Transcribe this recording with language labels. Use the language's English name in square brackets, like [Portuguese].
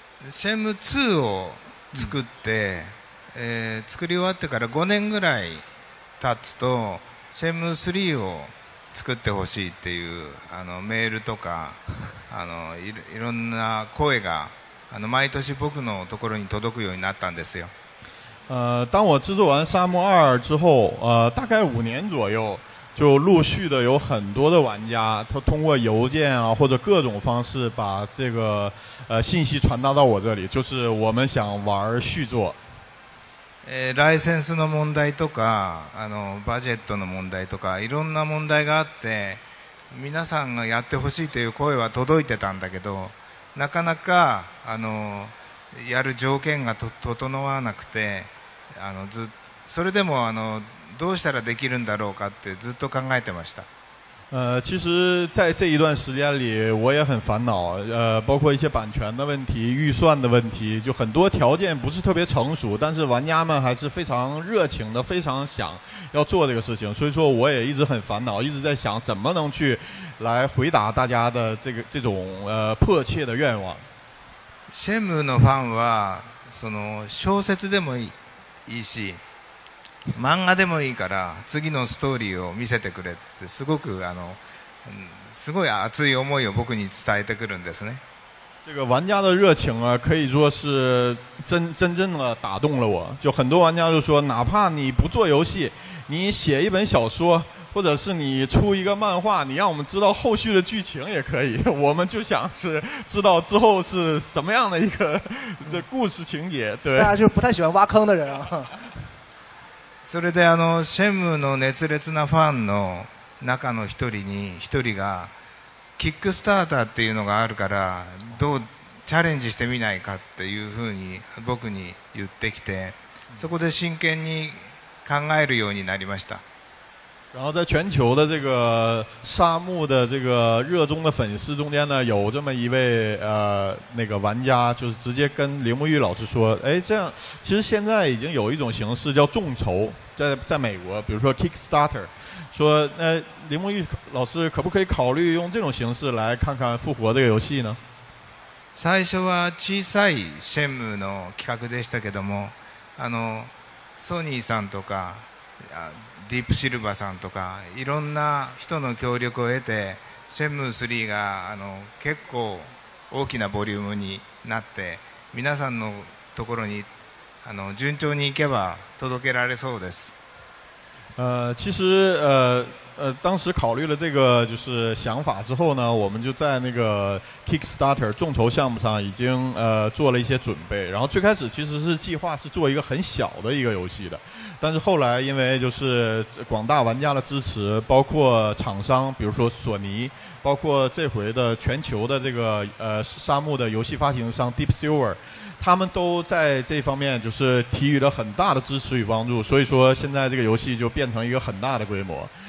[Japanese] シェンムー2を作って、うん、作り終わってから5年ぐらい経つとシェンムー3を作ってほしいっていうメールとかいろんな声が毎年僕のところに届くようになったんですよ。 [Chinese] 当我制作完沙漠2之后，大概5年左右就陆续的有很多的玩家他通过邮件啊或者各种方式把这个信息传达到我这里，就是我们想玩续作。 [Japanese] ライセンスの問題とかバジェットの問題とかいろんな問題があって皆さんがやってほしいという声は届いてたんだけど、なかなかやる条件が整わなくて、それでもどうしたらできるんだろうかってずっと考えてました。 [Chinese] 其实在这一段时间里我也很烦恼，包括一些版权的问题、预算的问题，就很多条件不是特别成熟，但是玩家们还是非常热情的，非常想要做这个事情，所以说我也一直很烦恼，一直在想怎么能去来回答大家的这种迫切的愿望。 [Japanese] シェムのファンはその小説でもいいし漫画でもいいから次のストーリーを見せてくれって、すごくすごい熱い思いを僕に伝えてくるんですね。 [Chinese] 这个玩家的热情啊，可以说是真正的打动了我。就很多玩家就说，哪怕你不做游戏，你写一本小说，或者是你出一个漫画，你让我们知道后续的剧情也可以。我们就想是知道之后是什么样的一个这故事情节。对，大家就是不太喜欢挖坑的人啊。 [Japanese] それでシェムの熱烈なファンの中の一人がキックスターターっていうのがあるからどうチャレンジしてみないかっていうふうに僕に言ってきて、そこで真剣に考えるようになりました。 [Chinese] 然后在全球的这个沙漠的这个热衷的粉丝中间呢，有这么一位那个玩家，就是直接跟铃木玉老师说，哎，这样其实现在已经有一种形式叫众筹，在美国，比如说 Kickstarter， 说那铃木玉老师可不可以考虑用这种形式来看看复活这个游戏呢？ [Japanese] 最初は小さいシェムの企画でしたけども、ソニーさんとか。ディープシルバーさんとかいろんな人の協力を得てシェンムー3が結構大きなボリュームになって皆さんのところに順調にいけば届けられそうです。 [Chinese] 其实当时考虑了这个就是想法之后呢，我们就在那个 Kickstarter 众筹项目上已经做了一些准备。然后最开始其实是计划是做一个很小的一个游戏的，但是后来因为就是广大玩家的支持，包括厂商，比如说索尼，包括这回的全球的这个沙漠的游戏发行商 Deep Silver，他们都在这方面就是提予了很大的支持与帮助，所以说现在这个游戏就变成一个很大的规模。